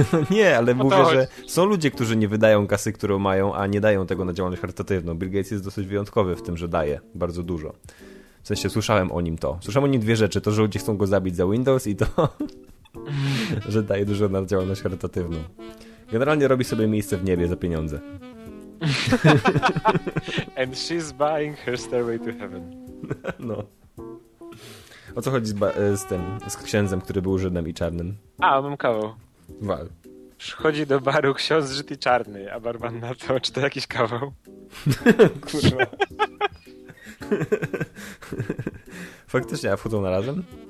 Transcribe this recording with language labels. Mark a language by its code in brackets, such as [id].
[pl] Nie, ale no mówię, że są ludzie, którzy nie wydają kasy, którą mają, a nie dają tego na działalność charytatywną. Bill Gates jest dosyć wyjątkowy w tym, że daje bardzo dużo. W sensie słyszałem o nim to. Słyszałem o nim dwie rzeczy. To, że ludzie chcą go zabić za Windows i to. Że daje dużo na działalność charytatywną. Generalnie robi sobie miejsce w niebie za pieniądze. [en] And she's buying her stairway to heaven. [pl] No. O co chodzi z tym, z księdzem, który był Żydem i czarnym? A, mam kawał. Wal. Przychodzi do baru ksiądz Żyd i czarny, a barman na to, czy to jakiś kawał? Kurwa. Faktycznie, a wchodzą na razem?